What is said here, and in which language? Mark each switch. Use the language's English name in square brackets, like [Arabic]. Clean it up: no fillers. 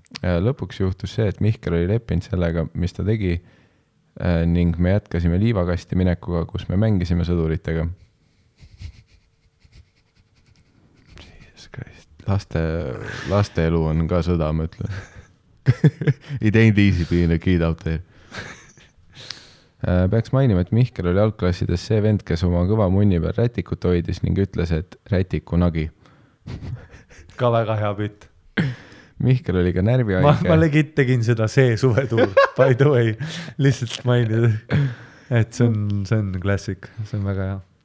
[Estonian] Ja lõpuks juhtus see, et Mihkel oli leppinud sellega, mis ta tegi ning me jätkasime liivakasti minekuga, kus me mängisime sõduritega. [English] Jesus Christ. [Estonian] Laste elu on ka sõda, ma ütlen. [English] It ain't easy being a kid out there. [Estonian] Peaks mainima, et Mihkel oli algklassides see vend, kes oma kõva munni peal rätikut hoidis ning ütles, et rätiku nagi. Ka väga hea pitt. Mihkel oli ka närvi aike. Ma legit tegin seda see suvetuul, [English] by the way, [Estonian] lihtsalt mainid, et see on klassik, see on väga hea.